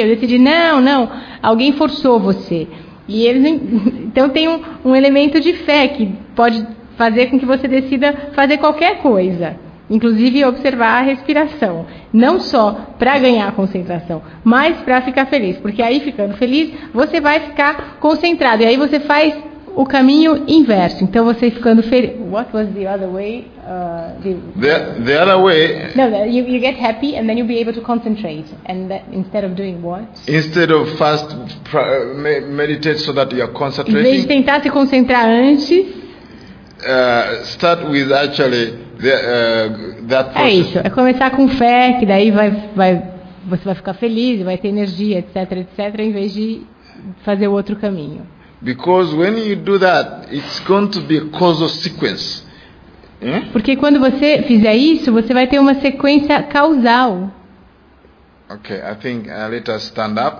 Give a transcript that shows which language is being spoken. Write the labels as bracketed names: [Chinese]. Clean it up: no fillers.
[Portuguese] Eu decidi: não, não, alguém forçou você. E eles, então tem um elemento de fé que pode fazer com que você decida fazer qualquer coisa. Inclusive observar a respiração, não só para ganhar concentração, mas para ficar feliz. Porque aí, ficando feliz, você vai ficar concentrado. E aí você faz o caminho inverso. Então você ficando feliz. [English] What was the other way? The other way. No, you get happy and then you'll be able to concentrate. And that, instead of doing what? Instead of first meditate so that you're concentrating. [Portuguese] Em vez de tentar se concentrar antes. [English] Start with actually that process. [Portuguese] É isso. É começar com fé, que daí vai você vai ficar feliz, vai ter energia, etc, etc, em vez de fazer o outro caminho. [English] Because when you do that, it's going to be a causal sequence. [Portuguese] Porque quando você fizer isso, você vai ter uma sequência causal. [English] Okay, I think let us stand up.